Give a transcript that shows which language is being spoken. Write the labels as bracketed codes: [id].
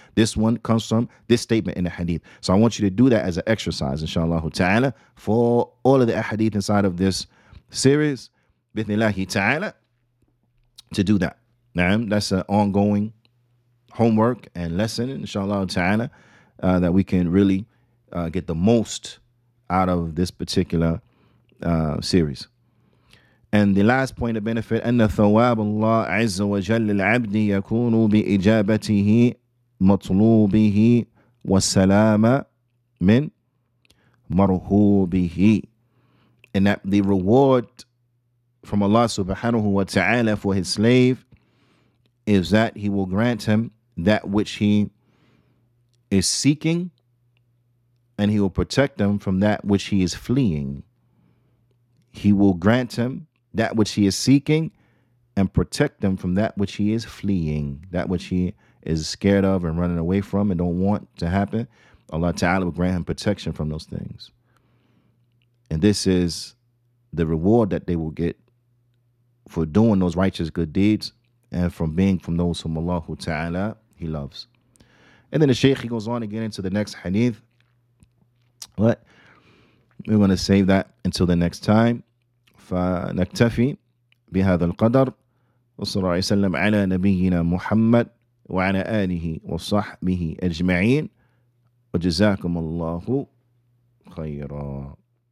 [en] This one comes from this statement in the hadith. So I want you to do that as an exercise, inshallah ta'ala, for all of the hadith inside of this series, bithnillahi ta'ala, to do that. Now, that's an ongoing homework and lesson, inshallah ta'ala, that we can really get the most out of this particular series. And the last point of benefit, [ar] أن ثواب الله عز وجل العبد يكون بإجابته مطلوبه والسلام من مرهوبه. [en] And that the reward from Allah subhanahu wa ta'ala for his slave is that he will grant him that which he is seeking, and he will protect him from that which he is fleeing. He will grant him that which he is seeking and protect him from that which he is fleeing, that which he is scared of and running away from and don't want to happen. Allah Ta'ala will grant him protection from those things. And this is the reward that they will get for doing those righteous good deeds and from being from those whom Allah Ta'ala he loves. And then the Shaykh, he goes on again into the next hadith. But we're going to save that until the next time. [ar] فنكتفي بهذا القدر وصلى الله عليه وسلم على نبينا محمد وعلى آله وصحبه أجمعين وجزاكم الله خيراً.